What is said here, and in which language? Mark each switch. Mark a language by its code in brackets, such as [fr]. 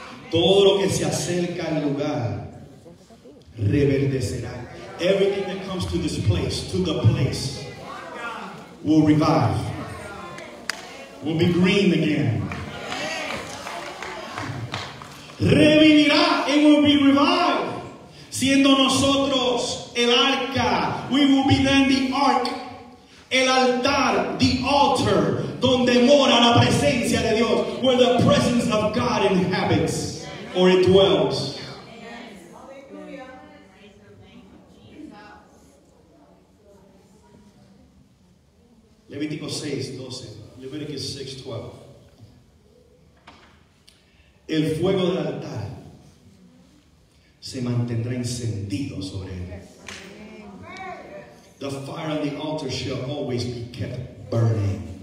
[es] Todo lo que se acerca al lugar reverdecerá. [en] Everything that comes to this place, to the place, will revive. Will be green again. [es] Revivirá. [en] It will be revived. [es] Siendo nosotros el arca, [en] we will be then the ark. [es] El altar, [en] the altar, [es] donde mora la presencia de Dios, [en] where the presence of God inhabits, or it dwells. [es] Levítico 6, 12. [en] Leviticus 6, 12. [es] El fuego del altar se mantendrá encendido sobre él. [en] The fire on the altar shall always be kept burning.